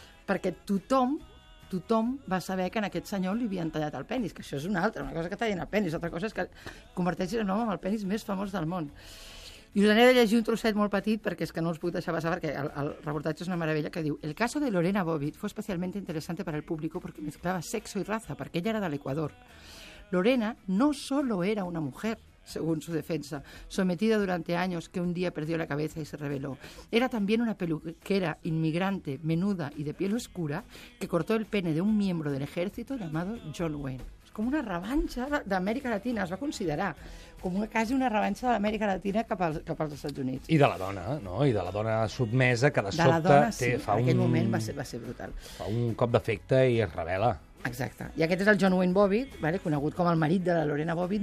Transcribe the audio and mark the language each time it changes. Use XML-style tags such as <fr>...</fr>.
<ca>Perquè tothom va saber que en aquest senyor li havien tallat el penis, que això és una altra, una cosa que tallen el penis, altra cosa és que converteixi el nom en el penis més famós del món. I us n'he de llegir un trosset molt petit perquè és que no us puc deixar passar perquè el reportatge és una meravella, que diu:</ca> <es>el caso de Lorena Bobbitt fue especialmente interesante para el público porque mezclaba sexo y raza, porque ella era</es> <ca>de l'Equador.</ca> <es>Lorena no solo era una mujer, según su defensa, sometida durante años, que un día perdió la cabeza y se rebeló. Era también una peluquera inmigrante, menuda y de piel oscura, que cortó el pene de un miembro del ejército llamado John Wayne.</es> <ca>Com una revanxa d'Amèrica Latina, es va considerar com una, quasi una revanxa d'Amèrica Latina cap als Estats Units. I de la dona, no? I de la dona sotmesa, que de sobte... De la dona, té, sí, en aquell moment va ser brutal. Fa un cop d'efecte i es revela. Exacte. I aquest és el John Wayne Bobbitt, vale? Conegut com el marit de la Lorena Bobbitt.</ca>